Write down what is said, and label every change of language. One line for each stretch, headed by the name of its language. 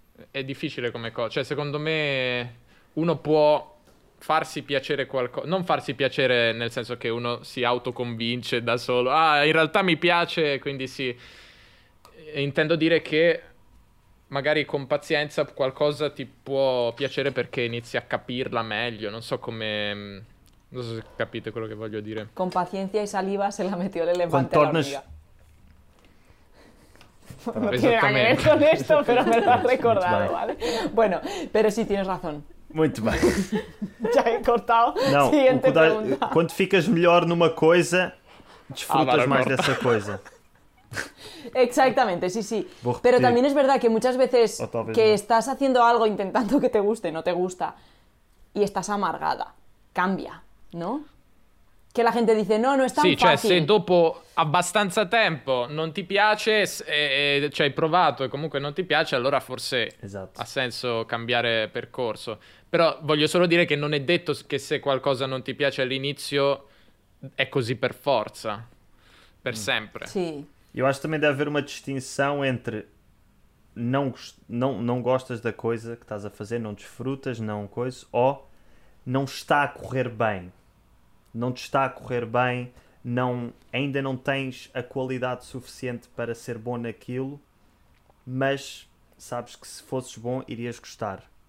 Italian: È difficile come cosa, cioè secondo me uno può farsi piacere qualcosa, non farsi piacere nel senso che uno si autoconvince da solo, ah in realtà mi piace, quindi sì, intendo dire che magari con pazienza qualcosa ti può piacere perché inizi a capirla meglio, non so come, non so se capite quello che voglio dire. Con pazienza e saliva
Spanish: se la metió
Italian: l'elefante alla amiga.
Spanish: No tiene nada que ver con esto, pero me lo has recordado, ¿vale? Bueno, pero sí, tienes razón. Muy bien. Ya he cortado. No, siguiente pregunta. Cuando ficas mejor en una cosa, disfrutas más de esa cosa. Exactamente, sí, sí. Pero también es verdad que muchas veces que estás haciendo algo intentando que te guste, no te gusta, y estás amargada, cambia, ¿no?
Italian: Che la gente dice no, non è tan sì, cioè, facile. Se dopo abbastanza tempo non ti piace, cioè hai provato e comunque non ti piace, allora forse ha senso cambiare percorso. Però voglio solo dire che non è detto che se qualcosa non ti piace all'inizio è così per forza, per sempre. Sì.
Portuguese: Io acho também deve haver uma distinção entre não gostas da coisa que estás a fazer, não desfrutas, não coisa, ou não está a correr bem. Não te está a correr bem, ainda não tens a qualidade suficiente para ser bom naquilo, mas sabes que se fosses bom, irias gostar.